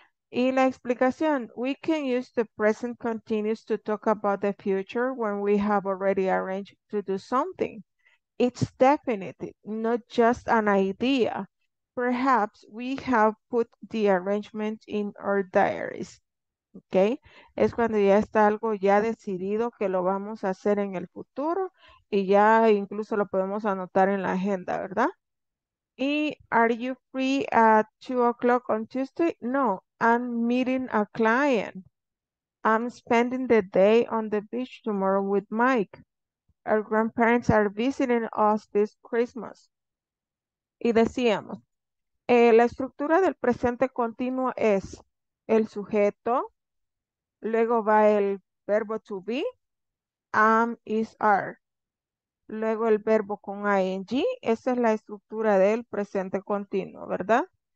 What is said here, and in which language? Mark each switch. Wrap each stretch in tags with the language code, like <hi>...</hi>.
<es>Y la explicación,</es> <en>we can use the present continuous to talk about the future when we have already arranged to do something. It's definite, not just an idea. Perhaps we have put the arrangement in our diaries. ¿ok?</en> <es>Es cuando ya está algo ya decidido que lo vamos a hacer en el futuro y ya incluso lo podemos anotar en la agenda, ¿verdad?</es> <en>¿Y are you free at 2 o'clock on Tuesday? No, I'm meeting a client. I'm spending the day on the beach tomorrow with Mike. Our grandparents are visiting us this Christmas.</en> <es>Y decíamos, la estructura del presente continuo es el sujeto, luego va el verbo to be, am, is, are. Luego el verbo con ing, esa es la estructura del presente continuo, ¿verdad?</es>